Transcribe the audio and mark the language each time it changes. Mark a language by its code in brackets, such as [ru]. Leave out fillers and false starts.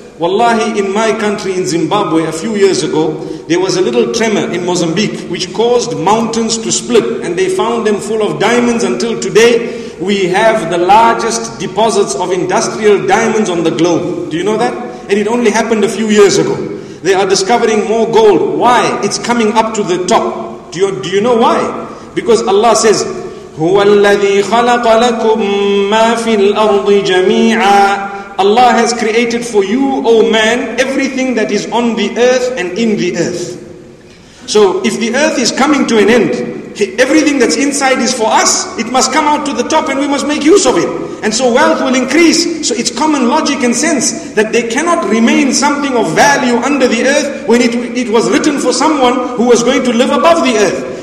[en] Wallahi, in my country, in Zimbabwe, a few years ago, there was a little tremor in Mozambique which caused mountains to split, and they found them full of diamonds. Until today, we have the largest deposits of industrial diamonds on the globe. Do you know that? And it only happened a few years ago. They are discovering more gold. Why? It's coming up to the top. Do you know why? Because Allah says, [ar] هُوَ الَّذِي خَلَقَ لَكُمْ مَا فِي الْأَرْضِ جَمِيعًا. [en] Allah has created for you, O man, everything that is on the earth and in the earth. So if the earth is coming to an end, everything that's inside is for us, it must come out to the top and we must make use of it. And so wealth will increase. So it's common logic and sense that there cannot remain something of value under the earth when it was written for someone who was going to live above the earth.